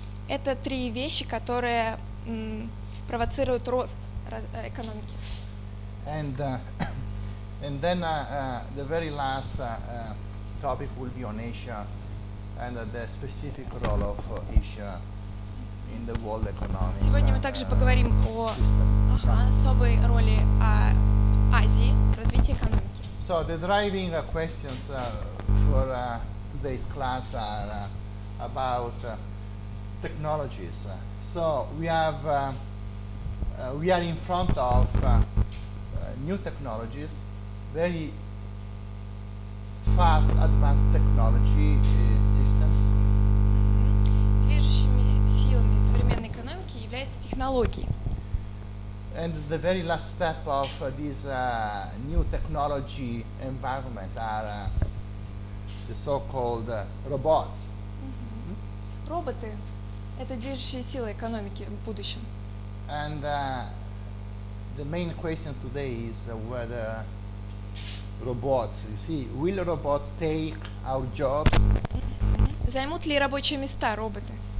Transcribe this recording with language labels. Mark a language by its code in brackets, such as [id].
[ru] Это три вещи, которые провоцируют рост экономики. [en] And then the very last topic will be on Asia and the specific role of Asia in the world economy. [ru] Сегодня мы также поговорим о особой роли Азии в развитии экономики. [en] So the driving questions for today's class are about technologies. So we have we are in front of new technologies, very fast advanced technology systems. [ru] Движущими силами современной экономики являются технологии. [en] And the very last step of this new technology environment are the so-called robots. [ru] Роботы – это движущая сила экономики в будущем. [en] And the main question today is whether robots, you see, will robots take our jobs? [ru] Займут ли рабочие места роботы?